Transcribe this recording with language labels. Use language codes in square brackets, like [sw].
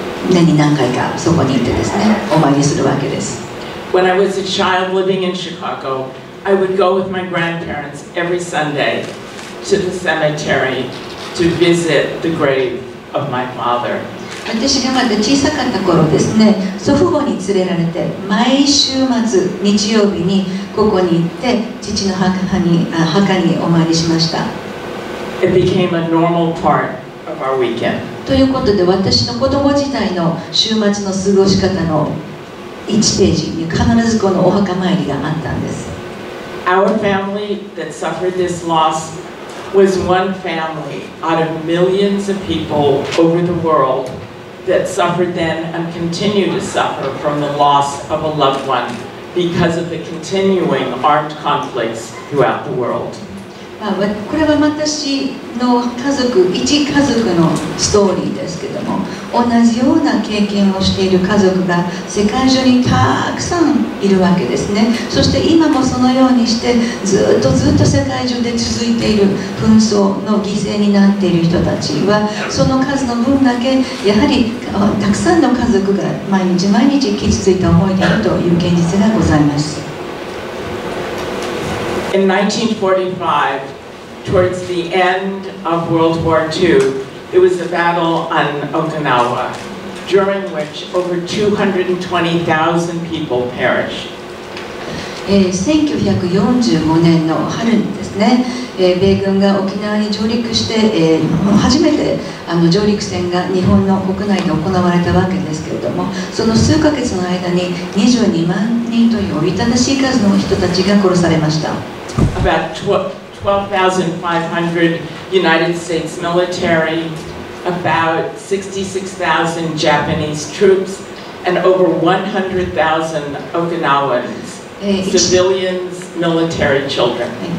[ja] 年に何回かそこに行ってですね、お参りするわけです。 [en] When I was a child living in Chicago, I would go with my grandparents every Sunday to the cemetery to visit the grave of my father. [ja] 私がまだ小さかった頃ですね、祖父母に連れられて毎週末日曜日にここに行って父の墓にお参りしました。 [en] It became a normal part of our weekend. [ja] ということで、私の子供時代の週末の過ごし方の1ページに必ずこのお墓参りがあったんです。 [en] Our family that suffered this loss was one family out of millions of people over the world that suffered then and continue to suffer from the loss of a loved oneBecause of the continuing armed conflicts throughout the world. [ja] これは私の家族、一家族のストーリーですけども、同じような経験をしている家族が世界中にたくさんいるわけですね。そして今もそのようにしてずっとずっと世界中で続いている紛争の犠牲になっている人たちは、その数の分だけやはりたくさんの家族が毎日毎日傷ついた思いであるという現実がございます。 [en] In 1945, towards the end of World War II, it was a battle on Okinawa, during which over 220,000 people perished. [ja] 1945年の春にですね、米軍が沖縄に上陸して、初めて上陸戦が日本の国内で行われたわけですけれども、その数ヶ月の間に22万人というおびただしい数の人たちが殺されました。 [en] About 12,500 United States military, about 66,000 Japanese troops, and over 100,000 Okinawans, civilians, military children.